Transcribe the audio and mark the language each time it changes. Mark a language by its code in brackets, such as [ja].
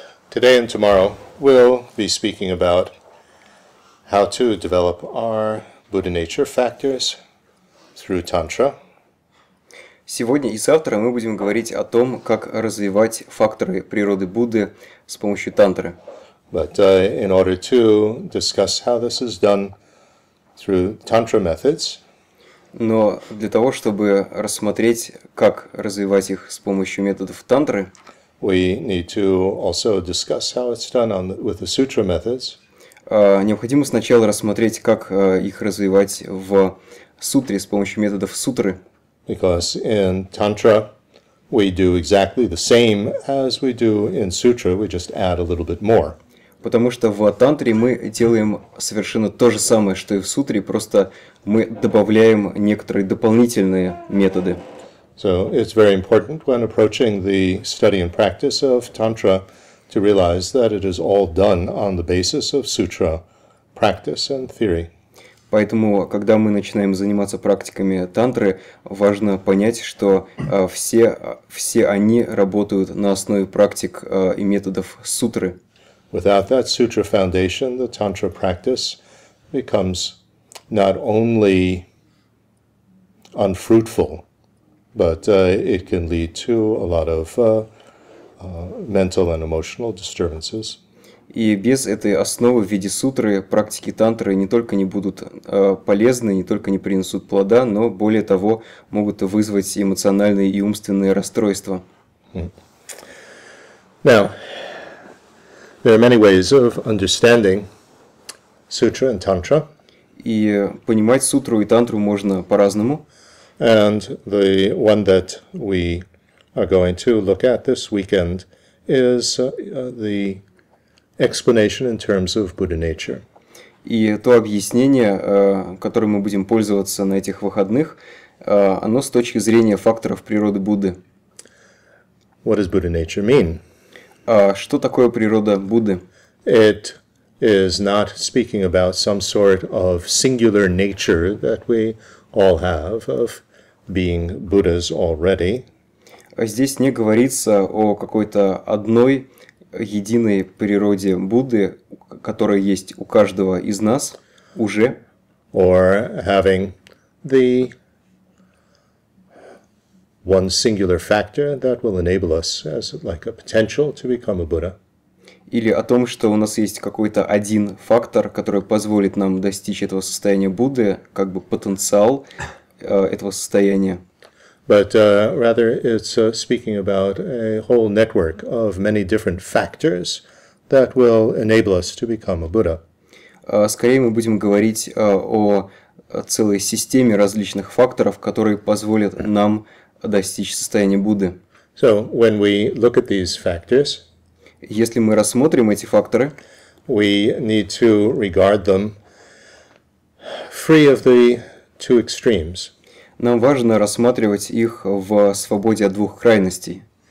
[en] Today and tomorrow, we'll be speaking about how to develop our Buddha nature factors through Tantra. [ru] Сегодня и завтра мы будем говорить о том, как развивать факторы природы Будды с помощью Тантры. [en] But in order to discuss how this is done through Tantra methods, [ru] но для того, чтобы рассмотреть, как развивать их с помощью методов Тантры, [en] we need to also discuss how it's done on the, with the sutra methods. [ru] Необходимо сначала рассмотреть, как их развивать в сутре с помощью методов сутры. [en] Because in Tantra we do exactly the same as we do in sutra, we just add a little bit more. [ru] Потому что в Тантре мы делаем совершенно то же самое, что и в сутре, просто мы добавляем некоторые дополнительные методы. [en] So it's very important when approaching the study and practice of Tantra to realize that it is all done on the basis of sutra practice and theory. [ru] Поэтому, когда мы начинаем заниматься практиками Тантры, важно понять, что все они работают на основе практик и методов сутры. [en] Without that sutra foundation, the Tantra practice becomes not only unfruitful, but it can lead to a lot of mental and emotional disturbances. [ru] И без этой основы в виде сутры практики тантры не только не будут полезны, не только не принесут плода, но более того, могут вызвать эмоциональные и умственные расстройства. [en] Now, there are many ways of understanding sutra and tantra. [ru] И понимать сутру и тантру можно по-разному. [en] And the one that we are going to look at this weekend is the explanation in terms of Buddha nature. [ru] И то объяснение, которым мы будем пользоваться на этих выходных, оно с точки зрения факторов природы Будды. [en] What does Buddha nature mean? [ru] Что такое природа Будды? [en] It is not speaking about some sort of singular nature that we all have of being Buddhas already. [ru] Здесь не говорится о какой-то одной единой природе Будды, которая есть у каждого из нас уже. [en] Or having the one singular factor that will enable us as like a potential to become a Buddha. [ru] Или о том, что у нас есть какой-то один фактор, который позволит нам достичь этого состояния Будды, как бы потенциал этого состояния. [en] But rather it's speaking about a whole network of many different factors that will enable us to become a Buddha. [ru] Скорее мы будем говорить о целой системе различных факторов, которые позволят нам достичь состояния Будды. [en] So when we look at these factors, [ru] если мы рассмотрим эти факторы, [en] we need to regard them free of the two extremes. [ru] Нам важно рассматривать их в свободе от двух крайностей.